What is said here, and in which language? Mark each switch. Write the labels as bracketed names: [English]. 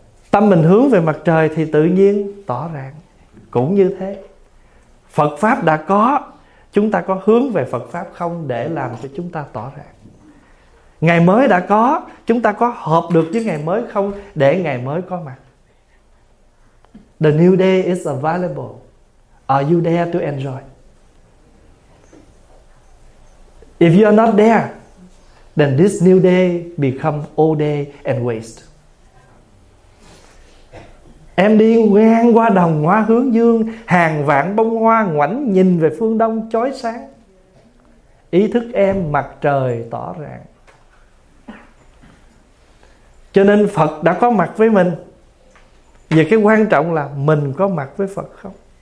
[Vietnamese] Tâm mình hướng về mặt trời thì tự nhiên tỏ rạng. Cũng như thế, Phật pháp đã có, chúng ta có hướng về Phật pháp không để làm cho chúng ta tỏ rạng? Ngày mới đã có, chúng ta có hợp được với ngày mới không để ngày mới có mặt? [English] The new day is available. Are you there to enjoy? If you are not there, then this new day become old day and waste. [Vietnamese] Em đi ngang qua đồng hoa hướng dương, hàng vạn bông hoa ngoảnh nhìn về phương đông chói sáng. Ý thức em mặt trời tỏ rạng. Cho nên Phật đã có mặt với mình. Và cái quan trọng là mình có mặt với Phật không?